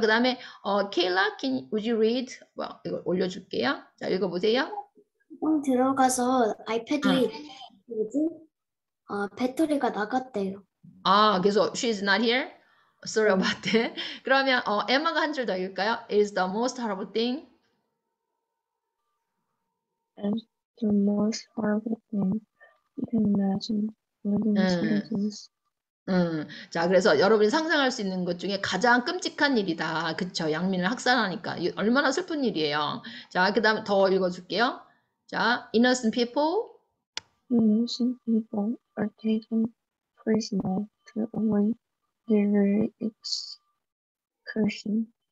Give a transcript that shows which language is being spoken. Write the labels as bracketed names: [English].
[Korean] 그다음에 케일라, [English] can would you read? [Korean] 뭐 이걸 올려줄게요. 자, 읽어보세요. 들어가서 아이패드에 뭐지? 배터리가 나갔대요. [English] 그래서 she's not here. Sorry about that. [Korean] 그러면 에마가 한줄더 읽을까요? [English] It's the most horrible thing. It's the most horrible thing you can imagine living sentences. [Korean] 자, 그래서 여러분이 상상할 수 있는 것 중에 가장 끔찍한 일이다. 그쵸? 양민을 학살하니까. 얼마나 슬픈 일이에요. 자, 그 다음 더 읽어줄게요. [English] 자, innocent people. Innocent people are taken prisoner to await their execution.